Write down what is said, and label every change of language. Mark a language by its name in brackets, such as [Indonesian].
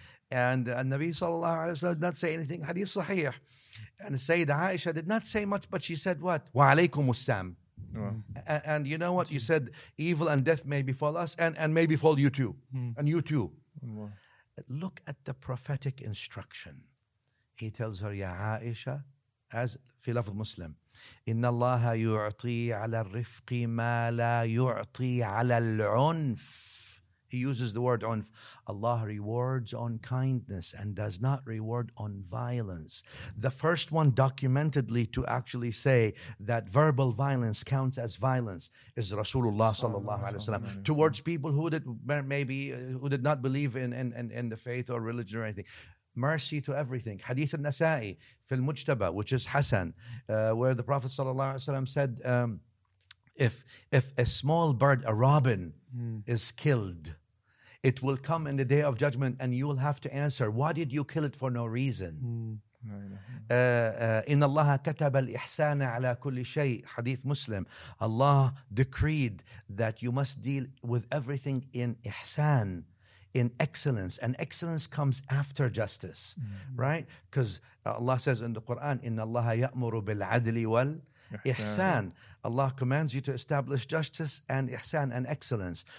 [English] And Nabi sallallahu alayhi wa sallam did not say anything, hadith sahih. And Sayyidah Aisha did not say much, but she said what? Wa alaykum assalam. And you know what? You said evil and death may befall us and may befall you too. And you too. Look at the prophetic instruction. He tells her, Ya Aisha, as [Arabic] في لفظ [English] Muslim, [Arabic] إِنَّ اللَّهَ يُعْطِي عَلَى الرِّفْقِ مَا لَا يُعْطِي عَلَى الْعُنْفِ. [English] He uses the word عُنْف. Allah rewards on kindness and does not reward on violence. The first one documentedly to actually say that verbal violence counts as violence is Rasulullah sallallahu alaihi wasallam towards people who did maybe who did not believe in the faith or religion or anything. Mercy to everything. Hadith al-Nasa'i fil Mujtaba, which is Hassan, where the Prophet sallallahu alaihi wasallam said, if a small bird, a robin, is killed, it will come in the day of judgment and you will have to answer, why did you kill it for no reason? [Arabic] إِنَّ اللَّهَ كَتَبَ الْإِحْسَانَ عَلَى كُلِّ شَيْءٍ, Hadith Muslim. [English] Allah decreed that you must deal with everything in ihsan, in excellence. And excellence comes after justice, right? Because Allah says in the Quran, [Arabic] إِنَّ اللَّهَ يَأْمُرُ بِالْعَدْلِ وَالْإِحْسَانِ. [English] Allah commands you to establish justice and ihsan and excellence.